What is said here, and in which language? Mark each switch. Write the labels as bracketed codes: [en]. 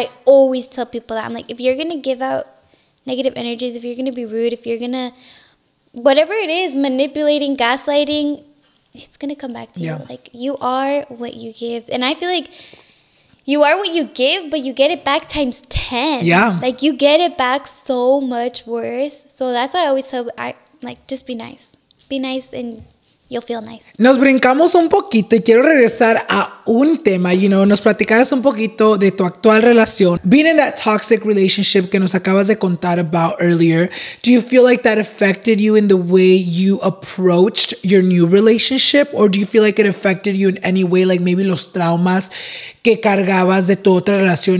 [en] I always tell people that. I'm like, if you're going to give out negative energies, if you're going to be rude, if you're going to, whatever it is, manipulating, gaslighting, it's going to come back to you. Like, you are what you give. And I feel like you are what you give, but you get it back times 10. Yeah. Like, you get it back so much worse. So that's why I always tell, just be nice. Be nice and you'll feel nice. [es] Nos brincamos un poquito y quiero regresar a un tema. [en] You know, [es] nos platicabas un poquito de tu actual relación. [en] Being in that toxic relationship [es] que nos acabas de contar [en] about earlier, do you feel like that affected you in the way you approached your new relationship? Or do you feel like it affected you in any way, like maybe [es] los traumas que cargabas de tu otra relación?